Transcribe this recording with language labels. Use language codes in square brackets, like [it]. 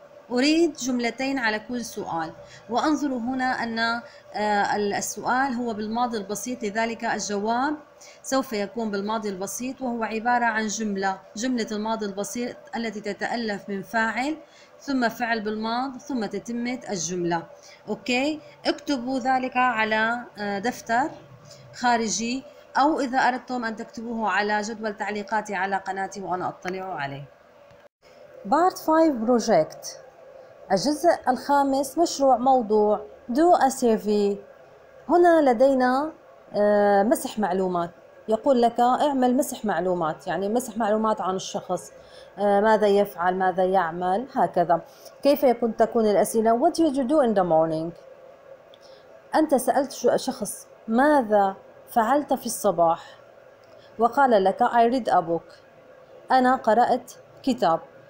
[ar] أريد جملتين على كل سؤال، وأنظر هنا أن السؤال هو بالماضي البسيط، لذلك الجواب سوف يكون بالماضي البسيط، وهو عبارة عن جملة، جملة الماضي البسيط التي تتألف من فاعل ثم فعل بالماض ثم تتمة الجملة. أوكي، اكتبوا ذلك على دفتر خارجي أو إذا أردتم أن تكتبوه على جدول تعليقاتي على قناتي وأنا أطلع عليه. [en] Part 5 Project، [ar] الجزء الخامس مشروع موضوع [en] Do a Survey. [ar] هنا لدينا مسح معلومات، يقول لك اعمل مسح معلومات، يعني مسح معلومات عن الشخص، ماذا يفعل، ماذا يعمل، هكذا. كيف يكون تكون الأسئلة؟ [en] What did you do in the morning؟ [ar] أنت سألت شخص ماذا فعلت في الصباح، وقال لك [en] I read a book، [ar] أنا قرأت كتاب.